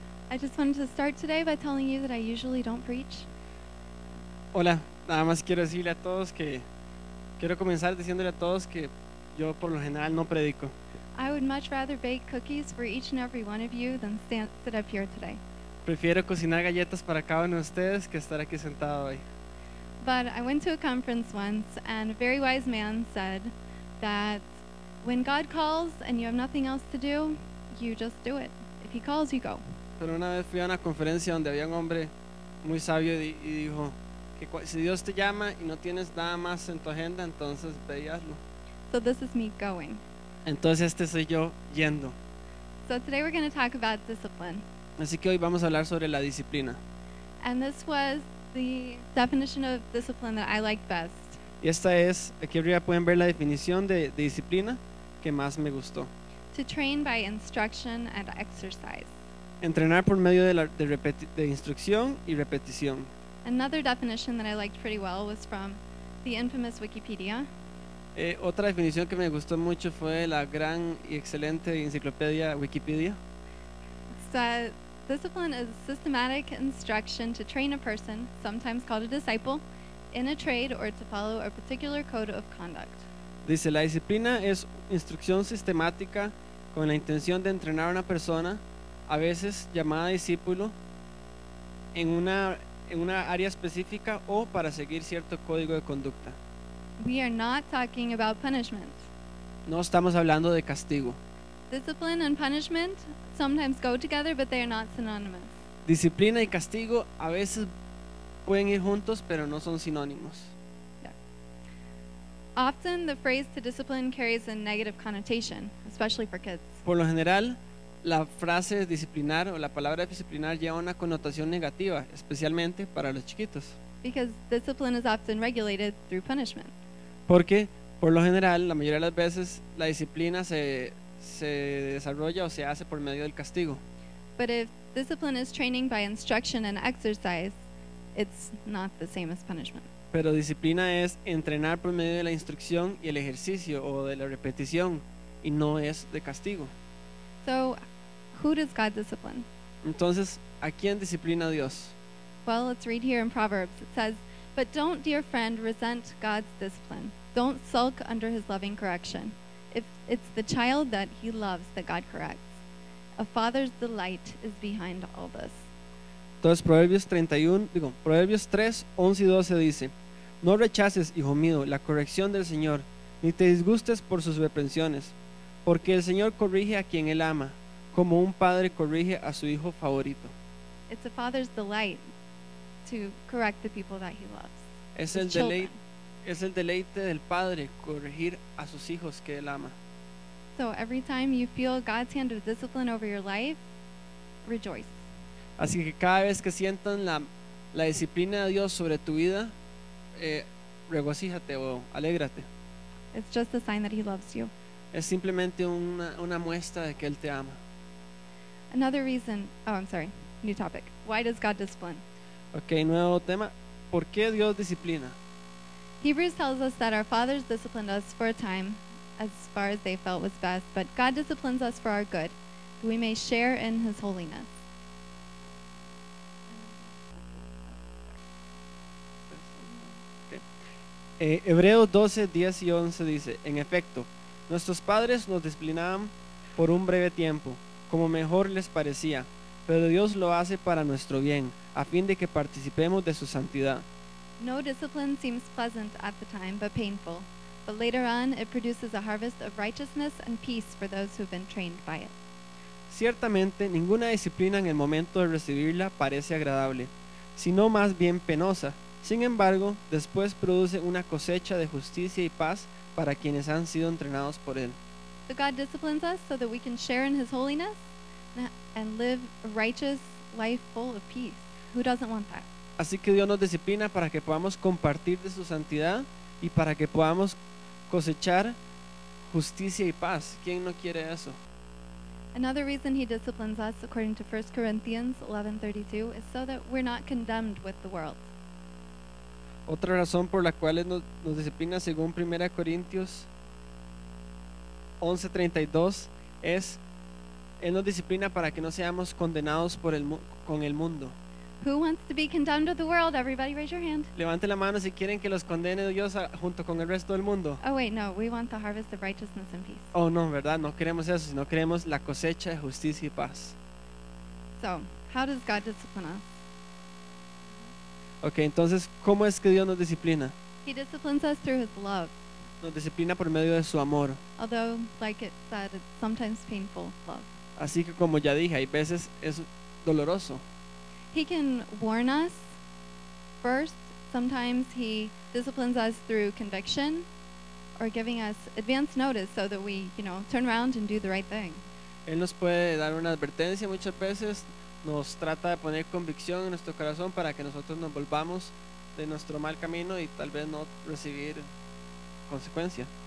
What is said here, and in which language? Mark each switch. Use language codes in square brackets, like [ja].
[en] I just wanted to start today by telling you that I usually don't preach. [es] Hola, nada más quiero decirle a todos que quiero comenzar diciéndole a todos que yo por lo general no predico. [en] I would much rather bake cookies for each and every one of you than sit up here today. [es] Prefiero cocinar galletas para cada uno de ustedes que estar aquí sentado hoy. [en] But I went to a conference once and a very wise man said that when God calls and you have nothing else to do, you just do it. If he calls, you go. [es] Pero una vez fui a una conferencia donde había un hombre muy sabio y dijo que si Dios te llama y no tienes nada más en tu agenda, entonces ve y hazlo. [en] So this is me going. [es] Entonces este soy yo yendo. [en] So today we're going to talk about discipline. [es] Así que hoy vamos a hablar sobre la disciplina. [en] And this was the definition of discipline that I like best. [es] Y esta es, aquí arriba pueden ver la definición de disciplina que más me gustó. [en] To train by instruction and exercise. [es] Entrenar por medio de instrucción y repetición. [en] Another definition that I liked pretty well was from the infamous Wikipedia. [es] Otra definición que me gustó mucho fue la gran y excelente enciclopedia Wikipedia. [en] So, discipline is systematic instruction to train a person, sometimes called a disciple, in a trade or to follow a particular code of conduct. [es] Dice, la disciplina es instrucción sistemática con la intención de entrenar a una persona, a veces llamada discípulo, en una área específica o para seguir cierto código de conducta. [en] We are not talking about punishment. [es] No estamos hablando de castigo. [en] Discipline and punishment sometimes go together, but they are not synonymous. [es] Disciplina y castigo a veces pueden ir juntos, pero no son sinónimos. [en] Yeah. Often the phrase to discipline carries a negative connotation, especially for kids. [es] Por lo general, la frase disciplinar o la palabra disciplinar lleva una connotación negativa, especialmente para los chiquitos. [en] Because discipline is often regulated through punishment. [es] Porque por lo general, la mayoría de las veces, la disciplina se desarrolla o se hace por medio del castigo. [en] But if discipline is training by instruction and exercise, it's not the same as punishment. [es] Pero disciplina es entrenar por medio de la instrucción y el ejercicio o de la repetición, y no es de castigo. [en] So, who does God discipline? [es] Entonces, ¿a quién disciplina Dios? [en] Well, let's read here in Proverbs. It says, "But don't, dear friend, resent God's discipline. Don't sulk under his loving correction. If it's the child that he loves that God corrects, a father's delight is behind all this." [es] Entonces, Proverbios 3, 11 y 12 dice, "No rechaces, hijo mío, la corrección del Señor, ni te disgustes por sus reprensiones, porque el Señor corrige a quien él ama, como un padre corrige a su hijo favorito." [en] It's a father's delight to correct the people that he loves. [es] Es el deleite del padre corregir a sus hijos que él ama. [en] So every time you feel God's hand of discipline over your life, rejoice. [es] Así que cada vez que sientan la disciplina de Dios sobre tu vida, regocíjate o alégrate. [en] It's just a sign that he loves you. [es] Es simplemente una muestra de que él te ama. [en] Another reason. Oh, I'm sorry. New topic. Why does God discipline? [es] Okay, nuevo tema. ¿Por qué Dios disciplina? [en] Hebrews tells us that our fathers disciplined us for a time, as far as they felt was best. But God disciplines us for our good, that we may share in His holiness. Okay. [es] Hebreos 12, 10 y 11 dice: "En efecto, nuestros padres nos disciplinaban por un breve tiempo, como mejor les parecía, pero Dios lo hace para nuestro bien, a fin de que participemos de su santidad." [en] No discipline seems pleasant at the time, but painful. But later on, it produces a harvest of righteousness and peace for those who have been trained by it. [es] Ciertamente, ninguna disciplina en el momento de recibirla parece agradable, sino más bien penosa. Sin embargo, después produce una cosecha de justicia y paz para quienes han sido entrenados por él. [en] So God disciplines us so that we can share in His holiness and live a righteous life full of peace. Who doesn't want that? [es] Así que Dios nos disciplina para que podamos compartir de su santidad y para que podamos cosechar justicia y paz. ¿Quién no quiere eso? [en] Another reason He disciplines us, according to 1 Corinthians 11:32, is so that we're not condemned with the world. [es] Otra razón por la cual nos disciplina, según 1 Corintios 11:32, es Él nos disciplina para que no seamos condenados con el mundo. [en] Who wants to be condemned with the world? Everybody raise your hand. [es] Levante la mano si quieren que los condene Dios junto con el resto del mundo. [en] Oh wait, no, we want the harvest of righteousness and peace. [es] Oh no, verdad, no queremos eso, sino queremos la cosecha de justicia y paz. [en] So, how does God discipline us? [es] Okay, entonces, ¿cómo es que Dios nos disciplina? [en] He disciplines us through His love. [es] Nos disciplina por medio de su amor. [en] Although, like it said, it's sometimes painful love. [es] Así que como ya dije, hay veces es doloroso. [en] He can warn us first. Sometimes He disciplines us through conviction or giving us advance notice so that we, you know, turn around and do the right thing. [es] Él nos puede dar una advertencia muchas veces, nos trata de poner convicción en nuestro corazón para que nosotros nos volvamos de nuestro mal camino y tal vez no recibir consecuencia.